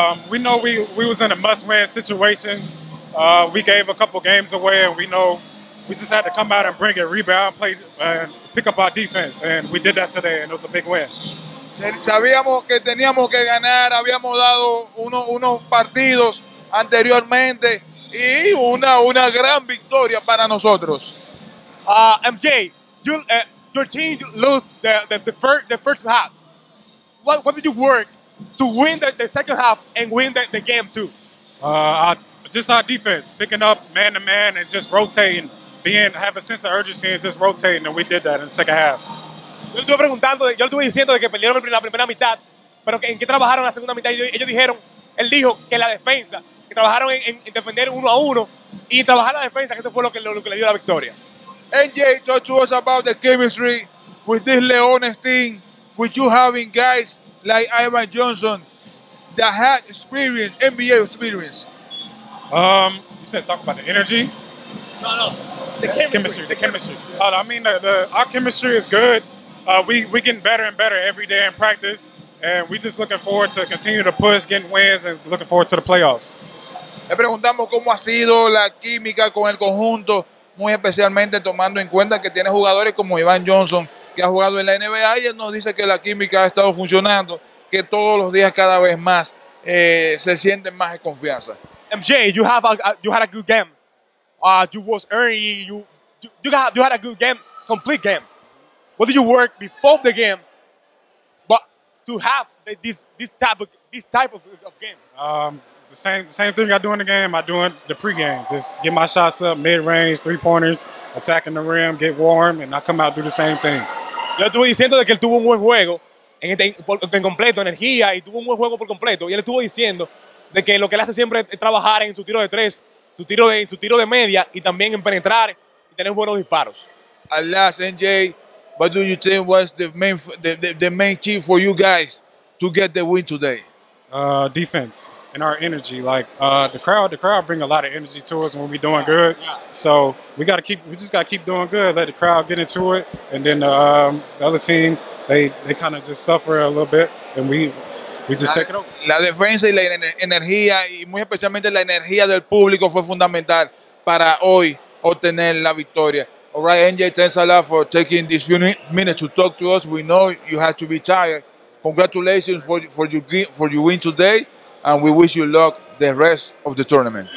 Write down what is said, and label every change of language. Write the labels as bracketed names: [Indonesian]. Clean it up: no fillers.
[English] We know we was in a must-win situation. We gave a couple games away, and we know we just had to come out and bring it, rebound, play, and pick up our defense. And we did that today, and it was a big win. [Spanish] Sabíamos que teníamos que ganar. Habíamos dado unos partidos anteriormente, y una gran victoria para nosotros. [English] MJ, your team lose the first half. What did you work to win the second half and win the game too? Just our defense, picking up man to man and just rotating, have a sense of urgency and just rotating, and we did that in the second half. [Spanish] Yo estuve preguntando, yo estuve diciendo de que perdieron la primera mitad, pero en qué trabajaron la segunda mitad. Ellos dijeron, él dijo que la defensa, que trabajaron en defender uno a uno y trabajar la defensa, que eso fue lo que le dio la victoria. [English] NJ, talk to us about the chemistry with this Leones team, with you having guys like Ivan Johnson that had experience, NBA experience. You said talk about the energy. No, the chemistry. I mean, our chemistry is good. We're getting better and better every day in practice, and we're just looking forward to continue to push, getting wins, and looking forward to the playoffs. [Spanish] Le preguntamos cómo ha sido la química con el conjunto, muy especialmente tomando en cuenta que tiene jugadores como Ivan Johnson, que ha jugado en la NBA, y él nos dice que la química ha estado funcionando, que todos los días cada vez más se sienten más en confianza. [English] MJ, you had a good game. You was early. You had a good game, complete game. What did you work before the game, but to have this type of game? The same thing I do in the game, I do in the pregame. Just get my shots up, mid-range, three-pointers, attacking the rim, get warm, and I come out and do the same thing. [Spanish] Yo estuve diciendo de que él tuvo un buen juego en completo, energía, y tuvo un buen juego por completo. Y él estuvo diciendo de que lo que él hace siempre es trabajar en su tiro de tres, su tiro de media, y también en penetrar y tener buenos disparos. [English] At last, NJ, what do you think was the main key for you guys to get the win today? Defense. And our energy, like the crowd bring a lot of energy to us when we're doing good. So we just gotta keep doing good, let the crowd get into it, and then the other team they kind of just suffer a little bit, and we just take it over. [Spanish] La defensa y la energía, y muy especialmente la energía del público, fue fundamental para hoy obtener la victoria. [English] All right, NJ, thanks a lot for taking this few minutes to talk to us. We know you had to be tired. Congratulations for your win today. And we wish you luck the rest of the tournament.